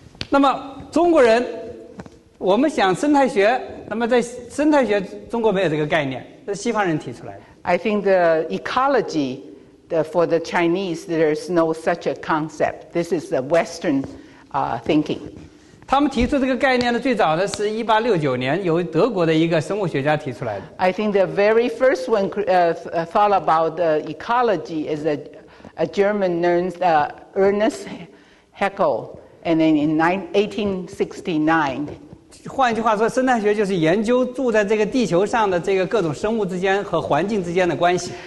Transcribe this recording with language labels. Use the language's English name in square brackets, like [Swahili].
[Chinese] 那么中国人我们想生态学那么在生态学中国没有这个概念这是西方人提出来的 [English] I think the ecology for the Chinese there is no such a concept this is the western thinking [Chinese] 他们提出这个概念的最早的是1869年由德国的一个生物学家提出来的 [English] I think the very first one thought about the ecology is a German nurse Ernest Haeckel and then in 1869 [Chinese] 换句话说生态学就是研究住在这个地球上的这个各种生物之间和环境之间的关系